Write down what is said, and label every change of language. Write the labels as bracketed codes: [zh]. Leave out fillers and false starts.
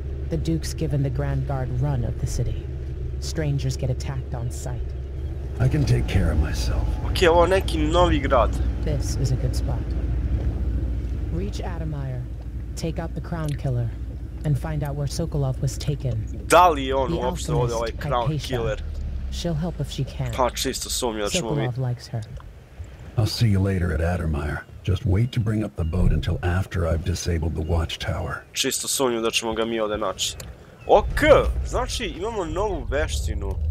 [en] The Duke's given the Grand Guard run of the city. Strangers get attacked on sight. I can take care of myself. [sr] Okay, well, neki novi grad. [en] This is a good spot. Reach Atomire. Take out the Crown Killer. And find out where Sokolov was taken. [sr] Da li on uopšte ovde ovaj Crown Killer? [en] She'll help if she can. [sr] Pa čisto sumnja da ćemo vidjeti. [en] Likes her. I'll see you later at Attermeyer. Just wait to bring up the boat until after I've disabled the watchtower. [sr] Čisto sumnja da ćemo ga mi ovde naći. Ok, znači imamo novu veštinu.